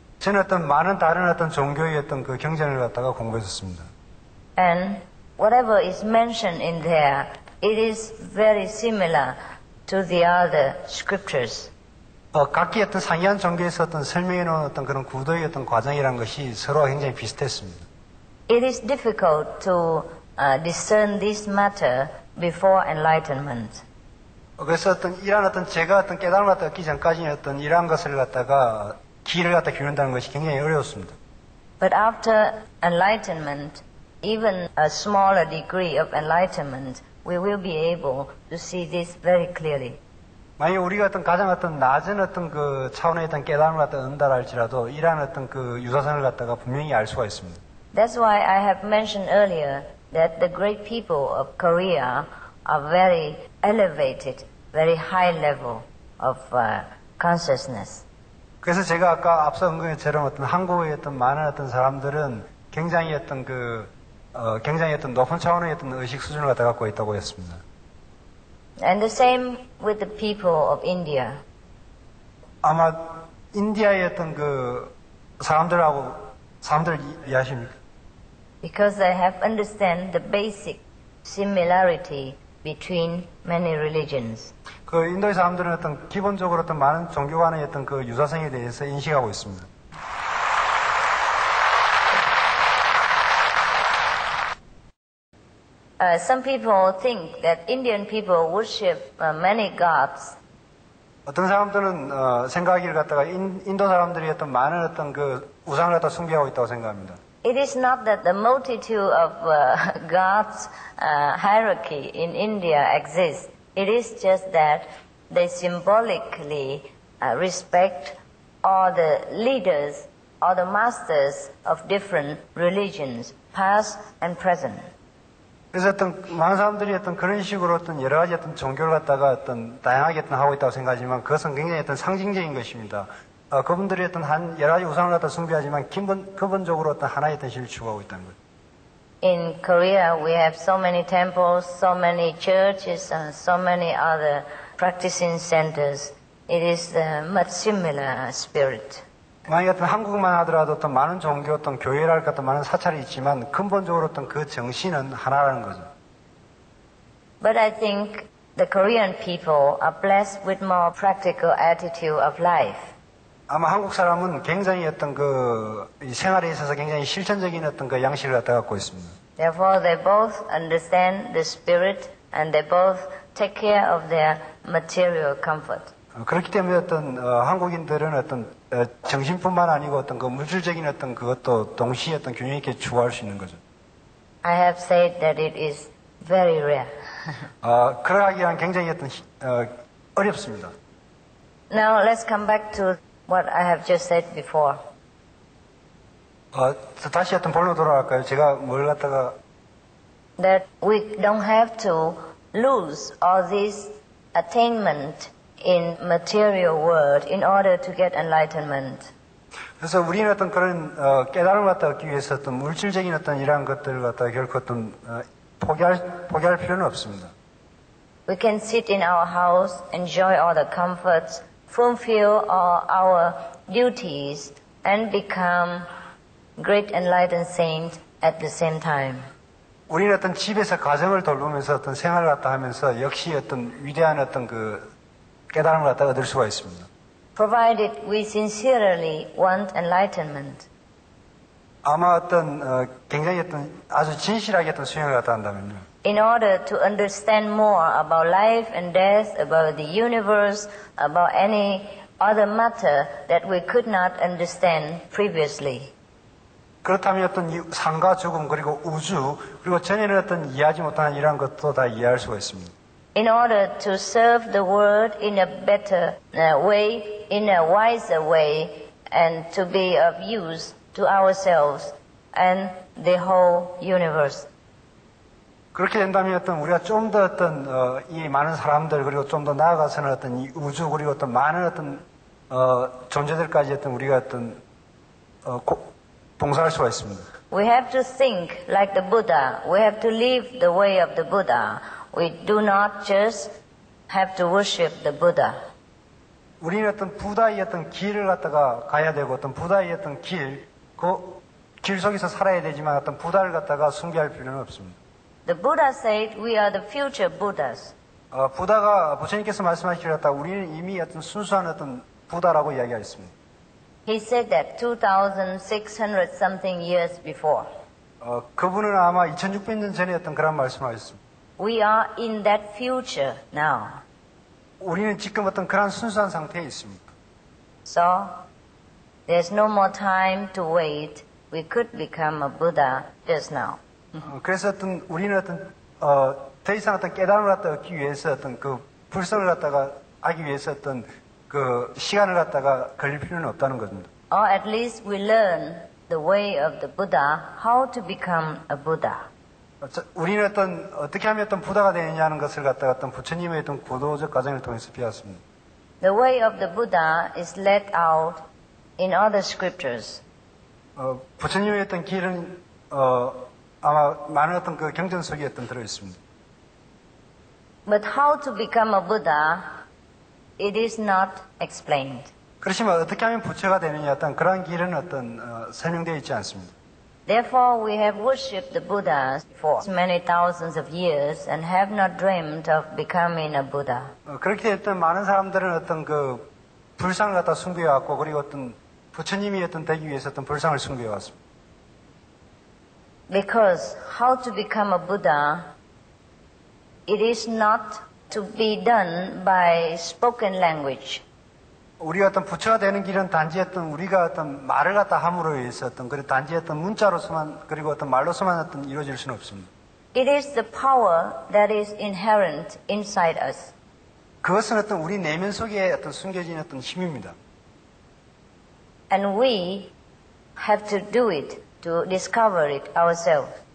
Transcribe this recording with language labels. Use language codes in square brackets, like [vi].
[ko] 저는 어떤 많은 다른 어떤 종교의 어떤 그 경전을 갖다가 공부했었습니다. [en] And whatever is mentioned in there, it is very similar to the other scriptures. [ko] 각기 어떤 상이한 종교에서 어떤 설명해 놓은 어떤 그런 구도의 어떤 과정이란 것이 서로 굉장히 비슷했습니다. [en] It is difficult to discern this matter before enlightenment. [ko] 그래서 어떤 이런 어떤 제가 어떤 깨달음을 얻기 전까지 어떤 이러한 것을 갖다가 길을 갖다 기른다는 것이 굉장히 어려웠습니다. [en] But after enlightenment, even a smaller degree of enlightenment, we will be able to see this very clearly. [ko] 만약 우리가 어떤 가장 어떤 낮은 어떤 그 차원의 어떤 깨달음을 갖다 얻는다 할지라도 이러한 어떤 그 유사성을 갖다가 분명히 알 수가 있습니다. [en] That's why I have mentioned earlier that the great people of Korea are very elevated, very high level of consciousness. [ko] 그래서 제가 아까 앞서 언급했던 어떤 한국의 어떤 많은 어떤 사람들은 굉장히 어떤 그 굉장히 어떤 높은 차원의 어떤 의식 수준을 갖다 갖고 있다고 했습니다. [en] And the same with the people of India. [ko] 아마 인디아의 어떤 그 사람들하고 사람들 이해하십니까? [en] Because they have understand the basic similarity between many religions. [ko] 그 인도의 사람들은 어떤 기본적으로 어떤 많은 종교 간의 어떤 그 유사성에 대해서 인식하고 있습니다. [en] Some people think that Indian people worship many gods. [ko] 어떤 사람들은 생각하기를 갖다가 인도 사람들이 어떤 많은 어떤 그 우상을 갖다 숭배하고 있다고 생각합니다. [en] It is not that the multitude of gods hierarchy in India exists. It is just that they symbolically respect all the leaders or the masters of different religions, past and present. [ko] 그래서 어떤 많은 사람들이 어떤 그런 식으로 어떤 여러 가지 어떤 종교를 갖다가 어떤 다양하게 어떤 하고 있다고 생각하지만 그것은 굉장히 어떤 상징적인 것입니다. 그분들이 어떤 한 여러 가지 우상을 갖다 숭배하지만 기본적으로 어떤 하나의 어떤 신을 추구하고 있다는 것. [en] In Korea, we have so many temples, so many churches, and so many other practicing centers. It is a much similar spirit. [ko] 만약 어떤 한국만 하더라도 어떤 많은 종교, 어떤 교회랄 것도 많은 사찰이 있지만 근본적으로 어떤 그 정신은 하나라는 거죠. [en] But I think the Korean people are blessed with more practical attitude of life. [ko] 아마 한국 사람은 굉장히 어떤 그 생활에 있어서 굉장히 실천적인 어떤 그 양식을 갖다 갖고 있습니다. [en] Therefore, they both understand the spirit and they both take care of their material comfort. [ko] 그렇기 때문에 어떤 한국인들은 어떤 정신뿐만 아니고 어떤 그 물질적인 어떤 그것도 동시에 어떤 균형 있게 추구할 수 있는 거죠. [en] I have said that it is very rare. [ko] 그러하기란 굉장히 어떤 어렵습니다. [en] Now let's come back to what I have just said before. [ko] 다시 어떤 본론 돌아갈까요? 제가 뭘 갖다가 [en] that we don't have to lose all this attainment in material world in order to get enlightenment. [ko] 그래서 우리는 어떤 그런 깨달음을 갖다 얻기 위해서 어떤 물질적인 어떤 이러한 것들을 갖다 결코 어떤 포기할 필요는 없습니다. [en] We can sit in our house, enjoy all the comforts, fulfill all our duties, and become great enlightened saints at the same time. [ko] 우리는 어떤 집에서 가정을 돌보면서 어떤 생활을 갖다 하면서 역시 어떤 위대한 어떤 그 깨달음을 갖다 얻을 수가 있습니다. [en] Provided we sincerely want enlightenment. [ko] 아마 어떤 굉장히 어떤 아주 진실하게 어떤 수행을 갖다 한다면요. [en] In order to understand more about life and death, about the universe, about any other matter that we could not understand previously. [ko] 그렇다면 어떤 삶과 죽음 그리고 우주 그리고 전에는 어떤 이해하지 못한 이런 것도 다 이해할 수가 있습니다. [en] In order to serve the world in a better way, in a wiser way, and to be of use to ourselves and the whole universe. [ko] 그렇게 된다면 어떤 우리가 좀 더 어떤 이 많은 사람들 그리고 좀 더 나아가서는 어떤 이 우주 그리고 어떤 많은 어떤 존재들까지 어떤 우리가 어떤 봉사할 수가 있습니다. [en] We have to think like the Buddha. We have to live the way of the Buddha. We do not just have to worship the Buddha. [ko] 우리는 어떤 부다의 어떤 길을 갖다가 가야 되고 어떤 부다의 어떤 길, 그 길 속에서 살아야 되지만 어떤 부다를 갖다가 숭배할 필요는 없습니다. [en] The Buddha said we are the future Buddhas. [ko] 부다가 부처님께서 말씀하시기를 갖다가 우리는 이미 어떤 순수한 어떤 부다라고 이야기했습니다. [en] He said that 2600 something years before. [ko] 그분은 아마 2600년 전에 어떤 그런 말씀을 하셨습니다. [en] We are in that future now. [ko] 우리는 지금 어떤 그런 순수한 상태에 있습니다. [en] So, there's no more time to wait. We could become a Buddha just now. [ko] 그래서 어떤 우리는 어떤 더 이상 어떤 깨달음을 갖다 얻기 위해서 어떤 그 불성을 갖다가 하기 위해서 어떤 그 시간을 갖다가 걸릴 필요는 없다는 겁니다. [en] Or at least we learn the way of the Buddha, how to become a Buddha. [ko] 우리는 어떤 어떻게 하면 어떤 부다가 되느냐 하는 것을 갖다가 어떤 부처님의 어떤 고도적 과정을 통해서 배웠습니다. [en] The way of the Buddha is laid out in other scriptures. [ko] 부처님의 어떤 길은 아마 많은 어떤 그 경전 속에 어떤 들어 있습니다. [en] But how to become a Buddha, it is not explained. [ko] 그렇지만 어떻게 하면 부처가 되느냐 어떤 그런 길은 어떤 설명되어 있지 않습니다. [en] Therefore, we have worshipped the Buddhas for many thousands of years and have not dreamed of becoming a Buddha. [ko] 그렇게 했던 많은 사람들은 어떤 그 불상을 갖다 숭배해 왔고 그리고 어떤 부처님이 어떤 되기 위해서 어떤 불상을 숭배해 왔습니다. [en] Because how to become a Buddha, it is not to be done by spoken language. [ko] 우리가 어떤 부처가 되는 길은 단지 어떤 우리가 어떤 말을 갖다 함으로 해서 어떤 그리고 단지 어떤 문자로서만 그리고 어떤 말로서만 어떤 이루어질 수는 없습니다. [en] It is the power that is inherent inside us. [ko] 그것은 어떤 우리 내면 속에 어떤 숨겨진 어떤 힘입니다. [en] And we have to do it to discover it ourselves.